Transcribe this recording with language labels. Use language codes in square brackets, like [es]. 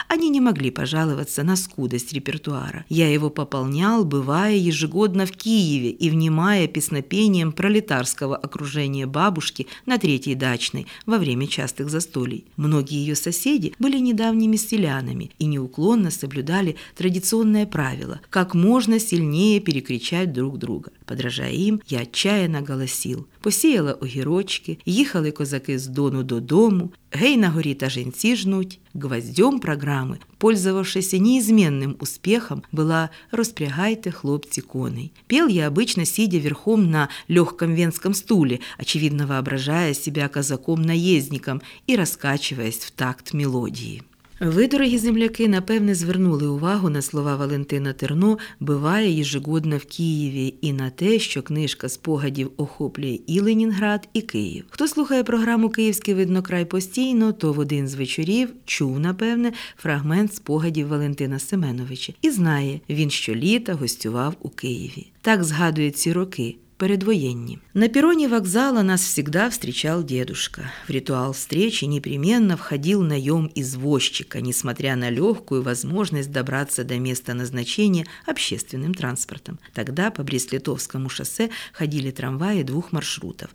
[ru] Они не могли пожаловаться на скудость репертуара. Я его пополнял, бывая ежегодно в Киеве и внимая песнопением пролетарского окружения бабушки на третьей дачной во время частых застолий. Многие ее соседи были недавними селянами и неуклонно соблюдали традиционное правило – как можно сильнее перекричать друг друга. Подражая им, я отчаянно голосил. [uk] Посіяли огірочки, їхали козаки з Дону додому, гей на горі та жінці жнуть. Гвоздьом програми, [ru] пользовавшися неизменним успехом, [uk] була «Розпрягайте, хлопці, коней». [ru] Пел я обычно, сидя верхом на легком венском стуле, очевидно воображая себя козаком-наездником [uk] і розкачуваясь в такт мелодії. Ви, дорогі земляки, напевне, звернули увагу на слова Валентина Терно «Буває ежегодно в Києві» і на те, що книжка спогадів охоплює і Ленінград, і Київ. Хто слухає програму «Київський виднокрай» постійно, то в один з вечорів чув, напевне, фрагмент спогадів Валентина Семеновича і знає, він щоліта гостював у Києві. Так згадує ці роки. Передвоенні. [ru] На перроне вокзала нас всегда встречал дедушка. В ритуал встречи непременно входил наем извозчика, несмотря на легкую возможность добраться до места назначения общественным транспортом. Тогда по Брест-Литовскому шоссе ходили трамваи двух маршрутов.